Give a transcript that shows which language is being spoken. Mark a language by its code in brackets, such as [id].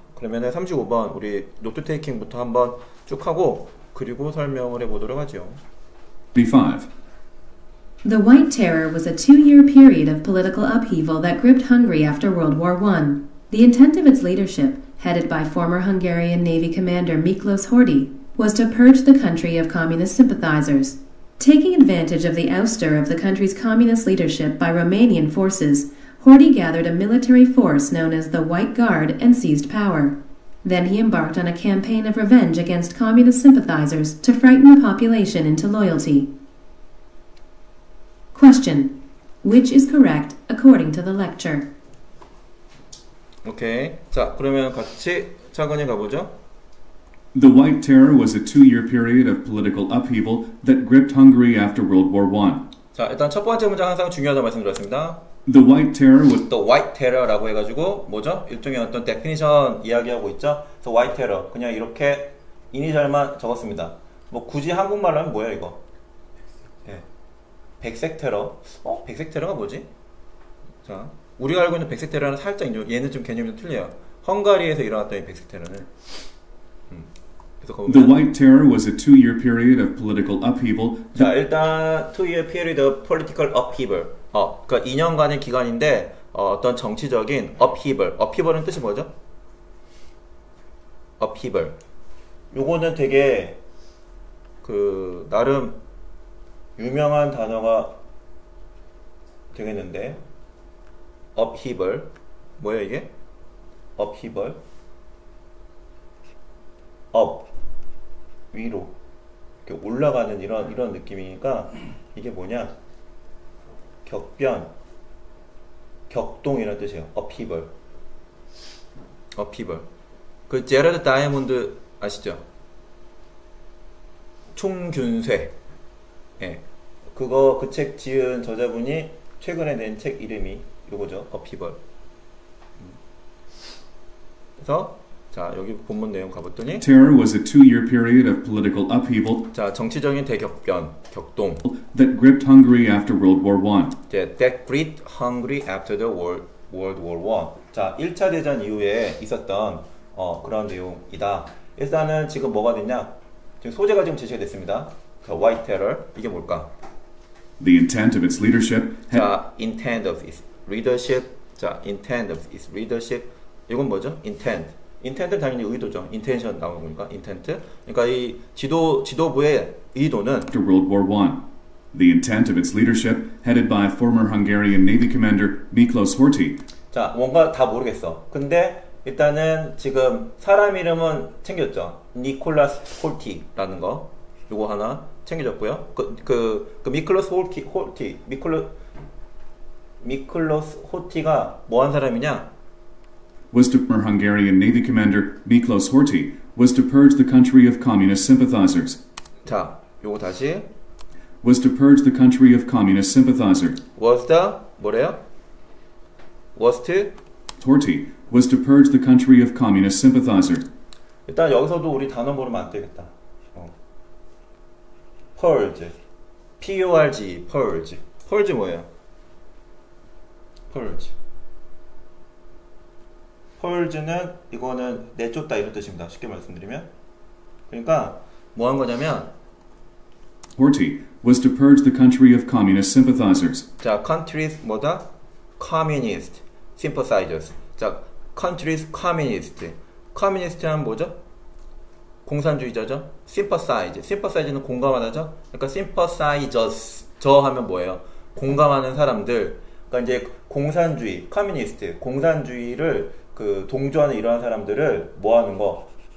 [ko] 그러면은 35번 우리 노트 테이킹부터 한번 쭉 하고 그리고 설명을 해보도록 하죠. [en] B5. The White Terror was a two-year period of political upheaval that gripped Hungary after World War I. The intent of its leadership, headed by former Hungarian Navy commander Miklos Horthy, was to purge the country of communist sympathizers. Taking advantage of the ouster of the country's communist leadership by Romanian forces, Horthy gathered a military force known as the White Guard and seized power. Then he embarked on a campaign of revenge against communist sympathizers to frighten the population into loyalty. Question: Which is correct according to the lecture? [ko] 오케이. 자, 그러면 같이 차근히 가보죠. [en] The White Terror was a two-year period of political upheaval that gripped Hungary after World War I. [ko] 자, 일단 첫 번째 문장 항상 중요하다고 말씀드렸습니다. [en] The White Terror was. [ko] The White Terror라고 해가지고 뭐죠? 일종의 어떤 definition 이야기하고 있죠? [en] The White Terror. [ko] 그냥 이렇게 이니셜만 적었습니다. 뭐 굳이 한국말로 하면 뭐예요, 이거? 백색 테러. 백색 테러가 뭐지? 자. 우리가 알고 있는 백색 테러는 살짝 얘는 좀 개념이 좀 틀려요. 헝가리에서 일어났던 이 백색 테러는 그래서 거기 [en] The [ko] 보면 [en] White Terror was a two-year period of political upheaval [ko] 자 일단 [en] two-year period of political upheaval [ko] 그러니까 2년간의 기간인데 어떤 정치적인 upheaval. upheaval은 뜻이 뭐죠? upheaval 요거는 되게 그 나름 유명한 단어가 되겠는데 upheaval 뭐야 이게? upheaval up 위로 이렇게 올라가는 이런 느낌이니까 이게 뭐냐? 격변 격동이라는 뜻이에요. upheaval upheaval 그 제라드 다이아몬드 아시죠? 총균쇄 예 그거 그책 지은 저자분이 최근에 낸책 이름이 요거죠. 어피벌. 그래서 자 여기 본문 내용 가봤더니 [en] Terror was a two-year period of political upheaval [ko] 자 정치적인 대격변 격동 [en] that gripped Hungary after World War I. That great hungry after the World War I [ko] 자 1차 대전 이후에 있었던 그런 내용이다. 일단은 지금 뭐가 됐냐? 지금 소재가 지금 제시가 됐습니다. [en] The White Terror [ko] 이게 뭘까? [en] The intent of its leadership had 자, intent of its leadership. 자, intent of its leadership. [ko] 이건 뭐죠? intent. intent은 당연히 의도죠. intention 나오는 거니까, intent. 그러니까 이 지도부의 의도는 [en] After World War I, the intent of its leadership, headed by former Hungarian Navy commander Miklos Horthy. [ko] 자, 뭔가 다 모르겠어. 근데 일단은 지금 사람 이름은 챙겼죠. 니콜라스 홀티라는 거. 요거 하나 챙겨줬고요. 그 미클로스 홀티 미클로스 호티가 뭐한 사람이냐? [en] Was to former Hungarian Navy commander Miklos Horthy was to purge the country of communist sympathizers. [ko] 자, 요거 다시. [en] Was to purge the country of communist sympathizers. Was the [ko] 뭐래요? [en] Was to Horthy was to purge the country of communist sympathizers. [ko] 일단 여기서도 우리 단어 모르면 안 되겠다. [en] Purge, P-U-R-G, Purge. Purge [ko] 뭐예요? Purge는 이거는 내쫓다 이런 뜻입니다. 쉽게 말씀드리면. 그러니까 뭐한 거냐면 [en] Horthy was to purge the country of communist sympathizers. 자, countries [ko] 뭐다? [en] Communist sympathizers. 자, countries communist. Communist란 [ko] 뭐죠? 공산주의자죠? Sympathize. Sympathize는 공감하다죠? 그러니까 sympathizers. 저 하면 뭐예요? 공감하는 사람들. 그러니까 이제 공산주의, 커뮤니스트, 공산주의를 그 동조하는 이러한 사람들을 뭐 하는 거?